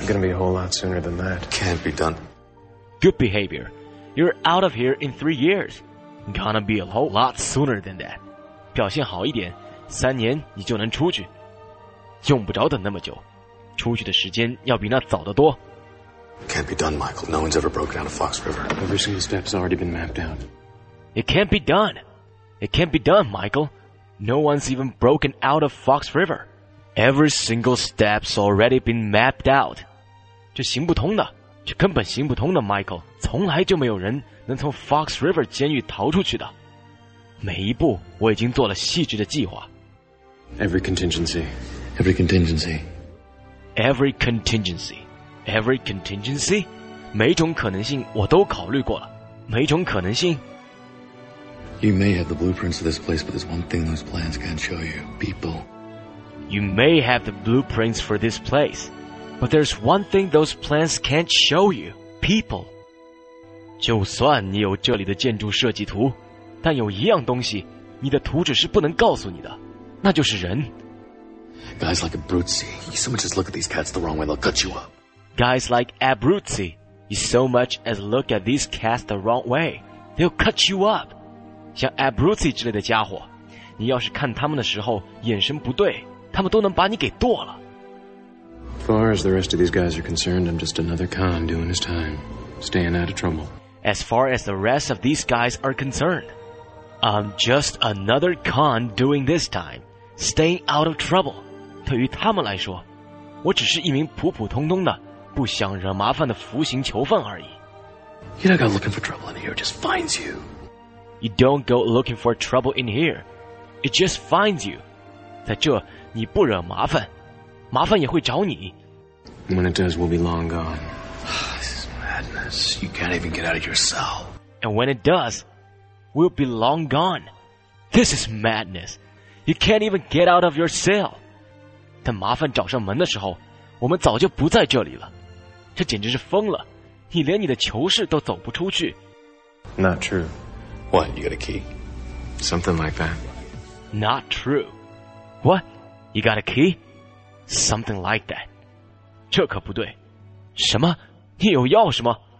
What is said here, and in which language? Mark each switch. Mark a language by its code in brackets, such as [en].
[en] It's gonna be a whole lot sooner than that. Can't be done. Good behavior, you're out of here in 3 years. Gonna be a whole lot sooner than that. [zh] 表现好一点，三年你就能出去。用不着等那么久，出去的时间要比那早得多。 [en] Can't be done, Michael. No one's ever broken out of Fox River. Every single step's already been mapped out. It can't be done. It can't be done, Michael. No one's even broken out of Fox River. Every single step's already been mapped out. [zh] 这行不通的，这根本行不通的 [en] ，Michael。 [zh] 从来就没有人能从 Fox River 监狱逃出去的。每一步，我已经做了细致的计划。 [en] Every contingency, every contingency, every contingency, every contingency. [zh] 每种可能性我都考虑过了。每种可能性。 [en] You may have the blueprints of this place, but there's one thing those plans can't show you: people. You may have the blueprints for this place, but there's one thing those plans can't show you, people. [zh] 就算你有这里的建筑设计图，但有一样东西，你的图纸是不能告诉你的，那就是人。 [en] Guys like Abruzzi, you so much as look at these cats the wrong way, they'll cut you up. Guys like Abruzzi, you so much as look at these cats the wrong way, they'll cut you up. [zh] 像 Abruzzi 之类的家伙，你要是看他们的时候眼神不对，他们都能把你给剁了。 [en] As far as the rest of these guys are concerned, I'm just another con doing his time, staying out of trouble. As far as the rest of these guys are concerned, I'm just another con doing this time, staying out of trouble. [zh] 对于他们来说，我只是一名普普通通的、不想惹麻烦的服刑囚犯而已。 [en] You don't go looking for trouble in here, it just finds you. You don't go looking for trouble in here, it just finds you. [zh] 在这你不惹麻烦，麻烦也会找你。 [en] When it does, we'll be long gone. This is madness. You can't even get out of your cell. And when it does, we'll be long gone. This is madness. You can't even get out of your cell. [zh] 但麻烦找上门的时候，我们早就不在这里了。这简直是疯了！你连你的囚室都走不出去。 [en] Not true. What? You got a key? Something like that. Not true. What?You got a key? something like that. [zh] 这可不对。什么？你有钥匙吗？